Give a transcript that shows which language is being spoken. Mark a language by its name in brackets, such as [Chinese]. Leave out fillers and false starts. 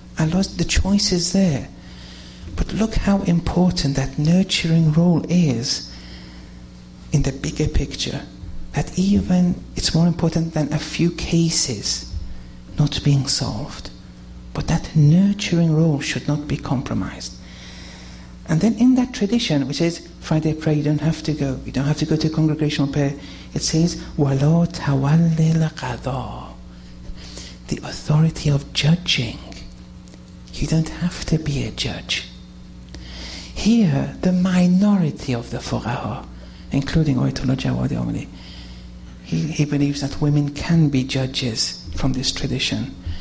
[English] Allah, the choice is there. But look how important that nurturing role is in the bigger picture. That even it's more important than a few cases not being solved. But that nurturing role should not be compromised. And then in that tradition, which says, Friday prayer, you don't have to go. You don't have to go to congregational prayer. [Arabic] It says, وَلَا تَوَلِّ الْقَضَىٰ. [English] The authority of judging. You don't have to be a judge. Here, the minority of the fuqaha, including Ayatollah Jawadi Amani, he believes that women can be judges from this tradition.